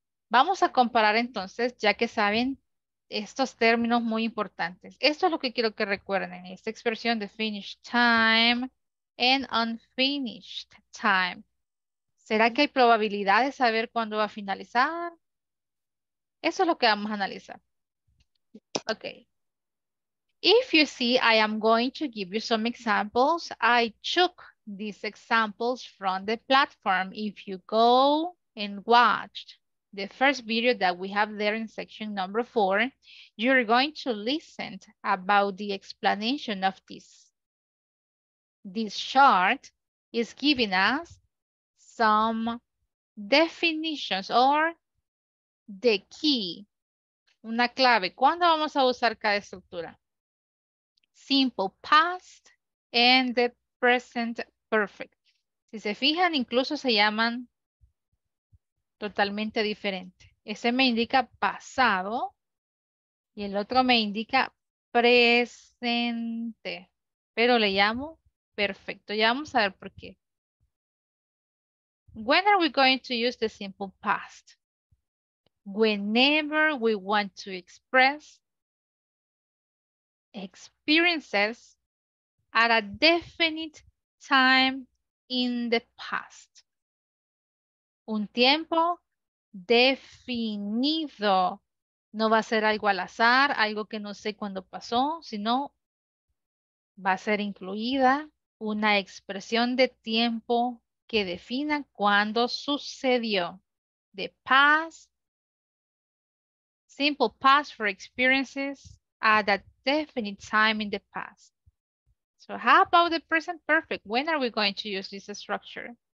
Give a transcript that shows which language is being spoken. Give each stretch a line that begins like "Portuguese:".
Spanish: Vamos a comparar entonces, ya que saben estos términos muy importantes. Esto es lo que quiero que recuerden, esta expresión de
English: finish time and unfinished time.
Spanish: ¿Será que hay probabilidad de saber cuándo va a finalizar? Eso es lo que vamos a analizar. Ok.
English: If you see, I am going to give you some examples. I took these examples from the platform. If you go and watch the first video that we have there in 4, you're going to listen about the explanation of this. This chart is giving us some definitions or the key.
Spanish: Una clave. ¿Cuándo vamos a usar cada estructura?
English: Simple past and the present perfect.
Spanish: Si se fijan, incluso se llaman totalmente diferente. Ese me indica pasado y el otro me indica presente. Pero le llamo perfecto. Ya vamos a ver por qué.
English: When are we going to use the simple past? Whenever we want to express experiences at a definite time in the past.
Spanish: Un tiempo definido. No va a ser algo al azar, algo que no sé cuándo pasó, sino va a ser incluida una expresión de tiempo que definan cuándo sucedió.
English: The past, simple past for experiences at a definite time in the past. So how about the present perfect? When are we going to use this structure?